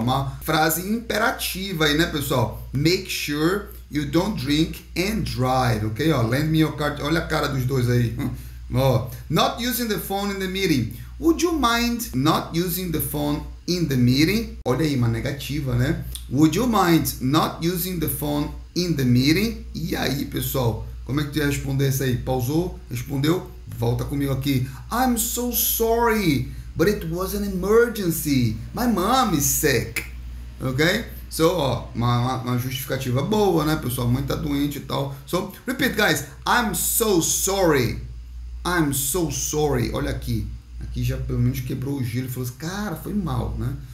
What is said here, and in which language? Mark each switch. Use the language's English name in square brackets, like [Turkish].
[Portuguese] Uma frase imperativa aí, né, pessoal? [English] Make sure you don't drink and drive. Okay, ó. Lend me your car. [Portuguese] Olha a cara dos dois aí. [English] Oh, not using the phone in the meeting. Would you mind not using the phone in the meeting? [Portuguese] Olha aí, uma negativa, né? [English] Would you mind not using the phone in the meeting? [Portuguese] E aí, pessoal, como é que tu ia responder isso aí? Pausou? Respondeu? Volta comigo aqui. [English] I'm so sorry, but it was an emergency. My mom is sick. Okay? [Portuguese] So, ó, uma justificativa boa, né, pessoal? A mãe tá doente e tal. [English] So, repeat, guys. I'm so sorry. I'm so sorry. [Portuguese] Olha aqui. Aqui já pelo menos quebrou o gelo e falou assim, cara, foi mal, né?